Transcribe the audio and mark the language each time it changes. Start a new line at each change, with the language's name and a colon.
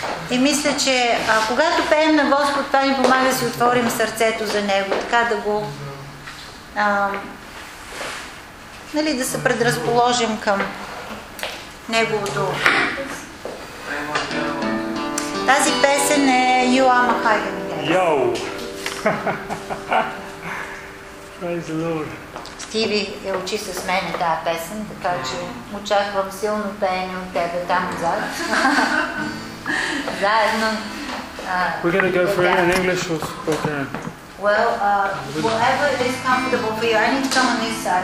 Bulgarian: И мисля, че когато пеем на Господ, това ни помага да си отворим сърцето за Него, така да го нали, да се предразположим към Неговото. Тази песен е You Are My Hiding
English: Praise the Lord.
Bulgarian: Стиви е учи с мене тази песен, така че очаквам силно пеене от тебе там зад. Заедно.
English: We're going to go for it in English or Korean. Well, whatever is comfortable for you. I need some on this side.